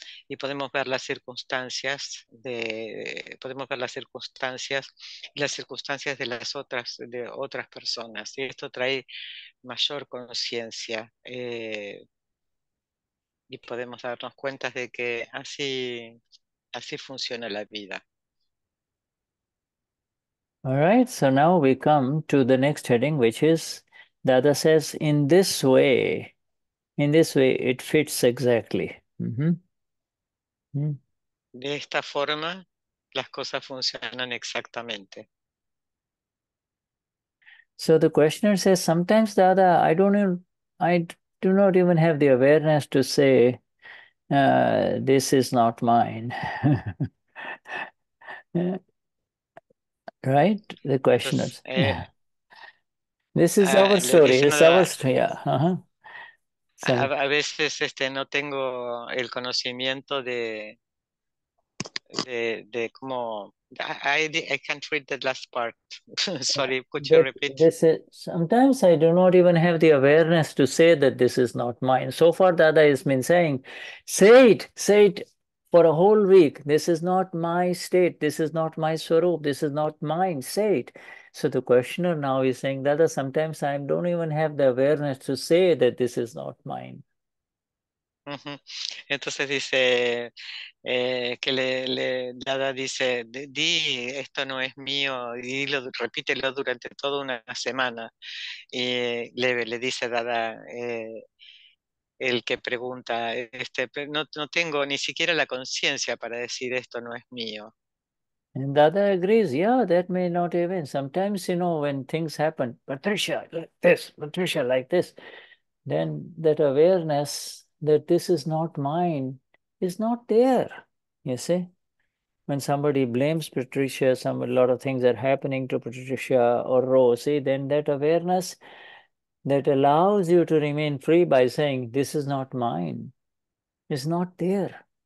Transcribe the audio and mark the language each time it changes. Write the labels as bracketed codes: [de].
[es] Y podemos ver las circunstancias de otras personas, y esto trae mayor conciencia, y podemos darnos cuenta de que así funciona la vida. [en] All right, so now we come to the next heading, which is Dada says, in this way it fits exactly. [es] De esta forma, las cosas funcionan exactamente. [en] So the questioner says, sometimes, Dada, I do not even have the awareness to say, this is not mine. Right? The questioner. Pues, this is our story. It's our story. Yeah. [es] A veces no tengo el conocimiento de cómo. [en] I can't read the last part. Sorry, could you repeat? Sometimes I do not even have the awareness to say that this is not mine. So far, Dada has been saying, say it for a whole week. This is not my state. This is not my Swaroop. This is not mine. Say it. So the questioner now is saying, Dada, sometimes I don't even have the awareness to say that this is not mine. [es] Entonces dice que le Dada dice, di, esto no es mío, y lo, repítelo durante toda una semana. Y le dice Dada, el que pregunta, no tengo ni siquiera la conciencia para decir esto no es mío. [en] And Dada agrees, yeah, that may not even, sometimes, you know, when things happen, Patricia, like this, Patricia, like this, then that awareness that this is not mine is not there, you see? When somebody blames Patricia, a lot of things are happening to Patricia or Rosie, then that awareness that allows you to remain free by saying, this is not mine, is not there.